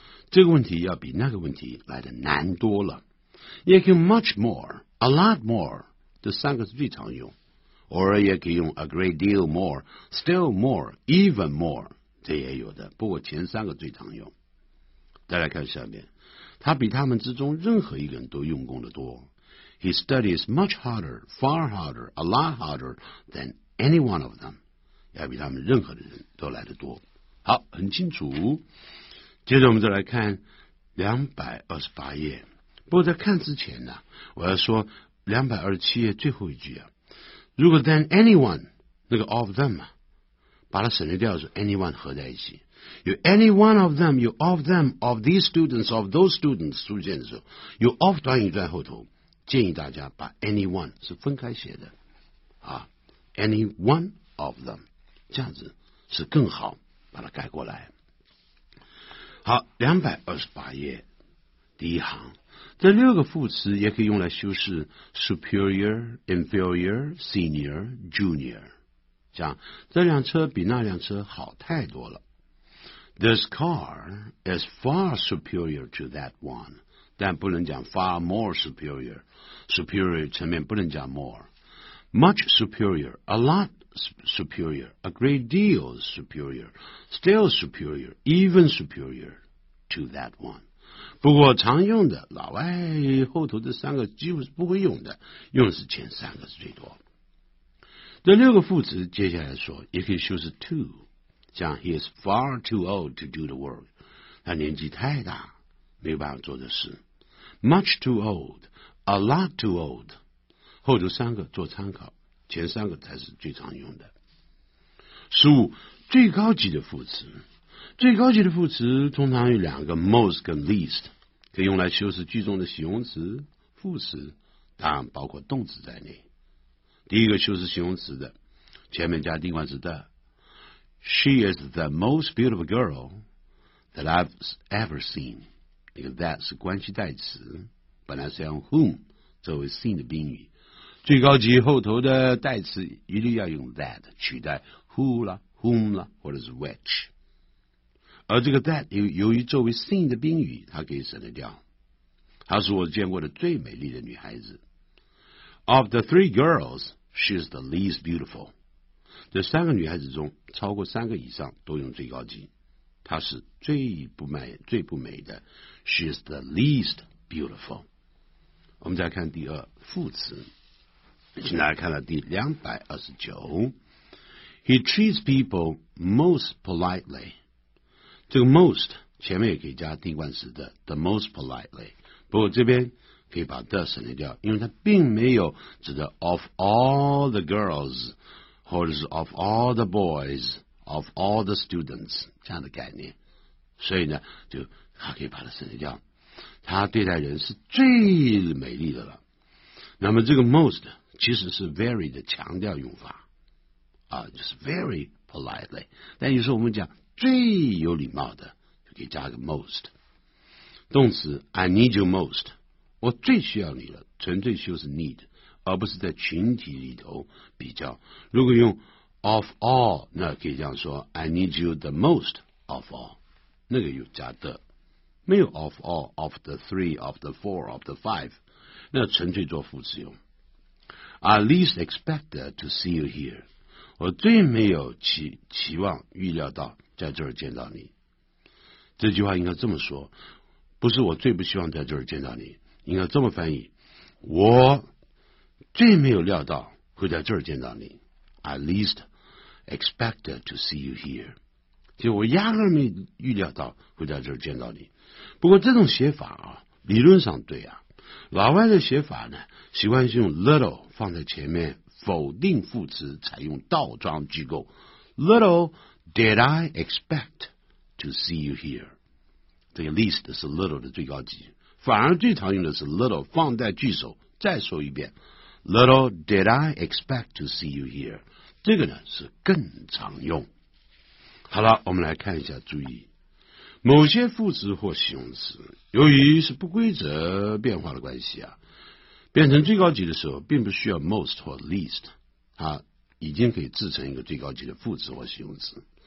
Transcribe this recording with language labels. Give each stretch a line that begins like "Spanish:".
Chinese: 这个问题要比那个问题来的难多了，也可以 much more, a lot more, 这三个是最常用，偶尔也可以用
English: a great deal more,
Chinese: still more, even more, 这也有的，不过前三个最常用。再来看下面，他比他们之中任何一个人都用功的多。
English: He studies much harder, far harder, a lot harder than any one of them,
Chinese: 要比他们任何的人都来的多。好，很清楚。接着我们再来看228页，不过在看之前呢，我要说227页最后一句啊，如果 than anyone 那个 of them 啊，把它省略掉，是 anyone 合在一起，有 any one of them， 有 of them， of these students， of those students 出现的时候，有 of 短语在后头，建议大家把 anyone 是分开写的啊， any one of them， 这样子是更好把它改过来。好，228页第一行，这六个副词也可以用来修饰 superior, inferior, senior, junior， 像这辆车比那辆车好太多了。
English: This car is far superior to that one，
Chinese: 但不能讲 far more superior， superior 层面不能讲 more， much superior， a lot superior， a great deal superior， still superior， even superior to that one， 不过常用的老外后头这三个几乎是不会用的，用的是前三个是最多。这六个副词接下来说也可以修饰 too， 像
English: he is far too old to do the work，
Chinese: 他年纪太大没有办法做的事， much too old， a lot too old， 后头三个做参考，前三个才是最常用的。 15最高级的副词，最高级的副词通常有两个 most 跟 least， 可以用来修饰句中的形容词、副词，当然包括动词在内。第一个修饰形容词的，前面加定冠词的
English: ，She is the most beautiful girl that I've ever seen。
Chinese: 那个 that 是关系代词，本来是用 whom 作为 seen 的宾语，最高级后头的代词一律要用 that 取代 who 啦、whom 啦，或者是 which。而这个 that 由于作为 seen 的宾语，它可以省得掉。她是我见过的最美丽的女孩子。
English: Of the three girls, she is the least beautiful.
Chinese: 这三个女孩子中，超过三个以上都用最高级。她是最不美的。
English: She is the least beautiful.
Chinese: 我们再看第二副词，请大家看到第229。
English: He treats people most politely.
Chinese: 这个 most 前面也可以加定冠词的 the most politely， 不过这边可以把 the 省略掉，因为它并没有指的 of all the girls 或者是 of all the boys of all the students 这样的概念，所以呢就它可以把它省略掉，它对待人是最美丽的了。那么这个 most 其实是 very 的强调用法啊，就是 very politely， 但有时候我们讲最有礼貌的就可以加个 most， 动词
English: I need you most，
Chinese: 我最需要你了，纯粹修饰 need，而不是在群体里头比较。如果用 of all， 那可以这样说
English: I need you the most of all，
Chinese: 那个有加的，没有 of all， of the three， of the four， of the five， 那纯粹做副词用。
English: I least expected to see you here，
Chinese: 我最没有 期望预料到在这儿见到你。这句话应该这么说，不是我最不希望在这儿见到你，应该这么翻译，我最没有料到会在这儿见到你。
English: I least expected to see you here，
Chinese: 就我压根没预料到会在这儿见到你。不过这种写法啊，理论上对啊，老外的写法呢，习惯性用 little 放在前面，否定副词采用倒装句构。
English: Little did I expect to see you here，
Chinese: 这个 least 是 little 的最高级，反而最常用的是 little 放在句首。再说一遍，
English: Little did I expect to see you here，
Chinese: 这个呢是更常用。好了，我们来看一下注意，某些副词或形容词由于是不规则变化的关系啊，变成最高级的时候并不需要 most 或 least， 它已经可以制成一个最高级的副词或形容词。